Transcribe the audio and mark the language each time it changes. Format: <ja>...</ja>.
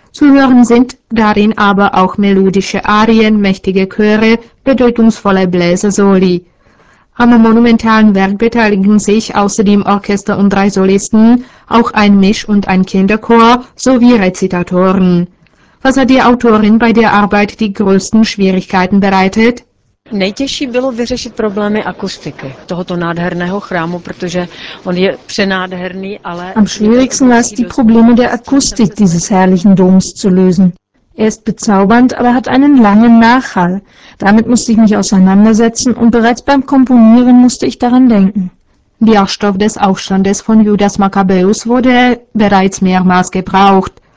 <de>Zu hören sind darin aber auch melodische Arien, mächtige Chöre, bedeutungsvolle Bläsersoli. Am monumentalen Werk beteiligen sich außerdem Orchester und drei Solisten, auch ein Misch- und ein Kinderchor sowie Rezitatoren. Was hat die Autorin bei der Arbeit die größten Schwierigkeiten bereitet?</de> <cs>Nejtěžší bylo vyřešit problémy akustiky tohoto nádherného chrámu, protože on je přenádherný, ale...</cs> <de>Am schwierigsten war es, die Probleme der Akustik dieses herrlichen Doms zu lösen. Er ist bezaubernd, aber hat einen langen Nachhall. Damit musste ich mich auseinandersetzen und bereits beim Komponieren musste ich daran denken. Der Stoff des Aufstandes von Judas Maccabäus wurde bereits mehrmals gebraucht.</de>